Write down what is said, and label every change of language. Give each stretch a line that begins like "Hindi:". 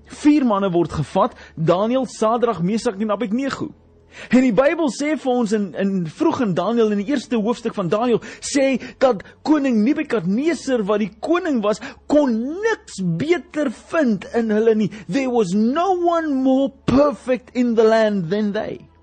Afrikaans: 4 manne word gevat, Daniël, Sadrag, Mesak en Abednego. En die Bybel sê vir ons in vroeg in Daniël, in die eerste hoofstuk van Daniël, sê dat koning Nebukadneser, wat die koning was, kon niks beter vind in hulle nie.
English: There was no one more perfect in the land than they.